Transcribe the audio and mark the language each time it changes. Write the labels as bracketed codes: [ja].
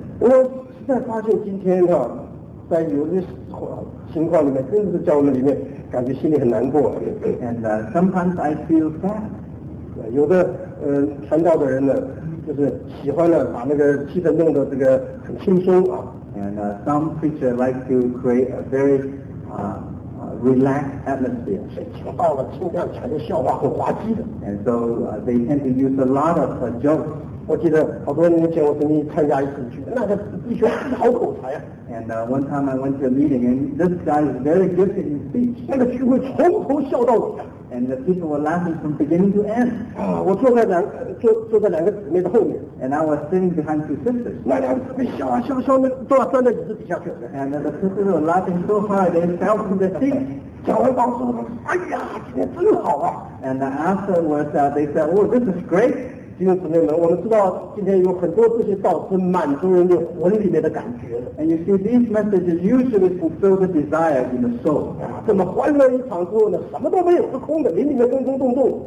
[zh] 我实在发现今天啊，在有的情况里面，真的是教育里面，感觉心里很难过。 [en] And sometimes I feel sad. [zh] 有的传道的人呢，就是喜欢呢把那个气氛弄得这个很轻松啊。 [en] And some preacher like to create a very relaxed atmosphere. [zh] 讲到了，尽量全是笑话和滑稽的。 [en] And so they tend to use a lot of jokes. [zh] 我记得好多年前我曾经参加一次聚，那个弟兄是好口才啊。 [en] And one time I went to a meeting, and this guy is very gifted in speech. [zh] 那个聚会从头笑到尾啊。 [en] And the people were laughing from beginning to end. [zh] 我坐在两个姊妹的后面。 [en] And I was sitting behind two sisters. [zh] 那两个姊妹笑啊笑啊笑，那都要钻到椅子底下去了。 [en] And the sisters were laughing so hard they fell from their seats. [zh] 讲完当时我说，哎呀，今天真好啊。 [en] And afterwards they said, oh, this is great. [zh] 弟兄姊妹们，我们知道今天有很多这些道是满足人的魂里面的感觉。 [en] And you see, these messages usually fulfill the desire in the soul. [zh] 怎么欢乐一场之后呢？什么都没有，是空的，林里面空空洞洞。